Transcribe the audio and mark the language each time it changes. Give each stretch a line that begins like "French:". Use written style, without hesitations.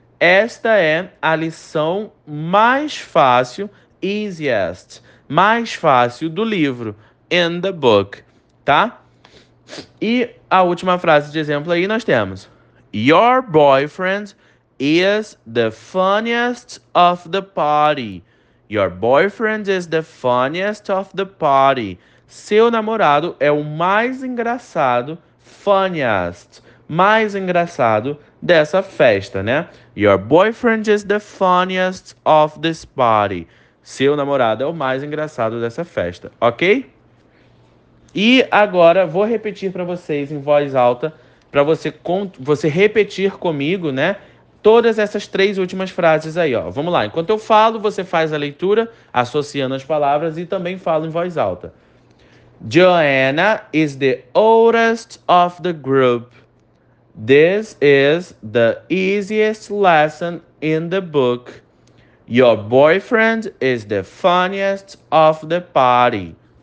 Portuguese: Esta é a lição mais fácil, easiest, mais fácil do livro,
English: in the book,
Portuguese: tá? E a última frase de exemplo aí nós temos:
English: Your boyfriend is the funniest of the party. Your boyfriend is the funniest of the party.
Portuguese: Seu namorado é o mais engraçado, funniest, mais engraçado dessa festa, né?
English: Your boyfriend is the funniest of this party.
Portuguese: Seu namorado é o mais engraçado dessa festa, ok? E agora vou repetir para vocês em voz alta, para você repetir comigo, né? Todas essas três últimas frases aí, ó. Vamos lá. Enquanto eu falo, você faz a leitura, associando as palavras e também falo em voz alta.
English: Joanna is the oldest of the group. This is the easiest lesson in the book. Your boyfriend is the funniest of the party.